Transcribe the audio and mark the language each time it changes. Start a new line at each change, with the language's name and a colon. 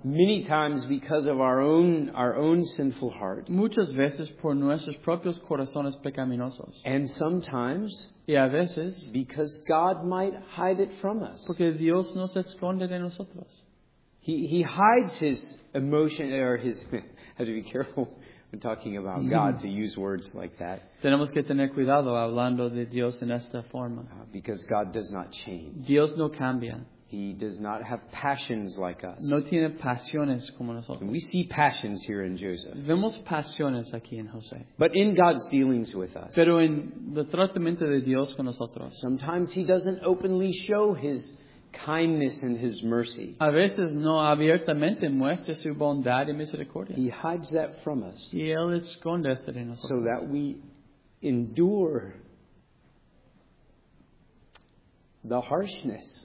English: many times because of our own sinful heart,
Spanish: muchas veces por nuestros propios corazones pecaminosos,
English: and sometimes,
Spanish: y a veces,
English: because God might hide it from us,
Spanish: porque Dios nos esconde de nosotros.
English: He hides his emotion, or his, I have to be careful. We're talking about God, to use words like that.
Spanish: Tenemos que tener cuidado hablando de Dios en esta forma.
English: Because God does not change.
Spanish: Dios no cambia.
English: He does not have passions like us.
Spanish: No tiene pasiones como nosotros.
English: And we see passions here in Joseph.
Spanish: Vemos pasiones aquí en José.
English: But in God's dealings with us.
Spanish: Pero en el tratamiento de Dios con nosotros.
English: Sometimes he doesn't openly show his kindness and his mercy.
Spanish: A veces no abiertamente muestra su bondad y misericordia.
English: He hides that from us.
Spanish: Y él esconde esto de nosotros.
English: So that we endure the harshness.